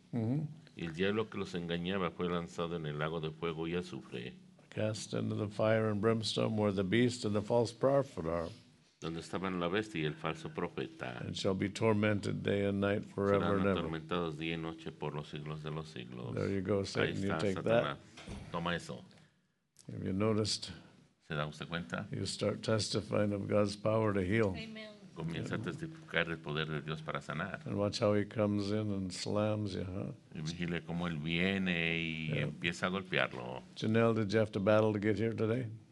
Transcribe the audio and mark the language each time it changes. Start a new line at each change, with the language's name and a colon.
Spanish: El diablo que los engañaba fue lanzado en el lago de fuego y azufre.
English: Cast into the fire and brimstone where the beast and the false prophet are.
Spanish: donde estaban la bestia y el falso profeta.
English: And shall be tormented day and night forever and ever.
Spanish: Serán atormentados día y noche por los siglos de los siglos.
English: There you go, Satan. You take that.
Spanish: Toma eso.
English: Have you noticed?
Spanish: ¿Se da usted cuenta?
English: You start testifying of God's power to heal. Amen.
Spanish: Comienza a testificar del poder de Dios para sanar.
English: And watch how he comes in and slams you, huh?
Spanish: Y vigile cómo él viene y empieza a golpearlo.
English: Janelle, did you have to battle to get here today?